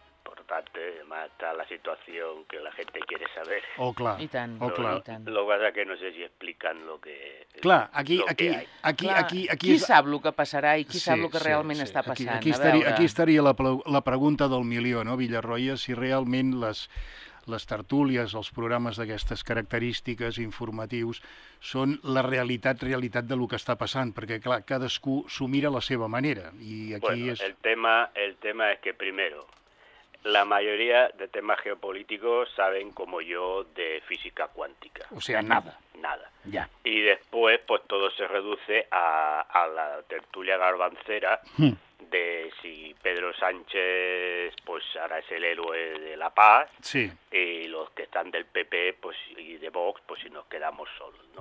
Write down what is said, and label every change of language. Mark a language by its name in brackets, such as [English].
[Spanish] Importante, además está la situación que la gente quiere saber. Oh, claro. Y tan, oh, claro. Lo que pasa es que no sé si explican lo que... Claro, aquí... [Catalan] Qui sap lo que passarà i qui sap lo que realment està passant? Aquí estaria la pregunta del milió, no, Villarroya, si realment les tertúlies, els programes d'aquestes característiques informatius són la realitat de lo que està passant, perquè clar, cadascú s'ho mira a la seva manera i aquí bueno, és el tema és que [Spanish] primero [Catalan] la majoria de temes geopolítics saben com jo de física quàntica. [Spanish] O sea, nada. Nada. Ya. Y después pues todo se reduce a la tertulia garbancera. De si Pedro Sánchez pues ahora es el héroe de la paz, sí. Y los que están del PP pues y de Vox, pues si nos quedamos solos, ¿no?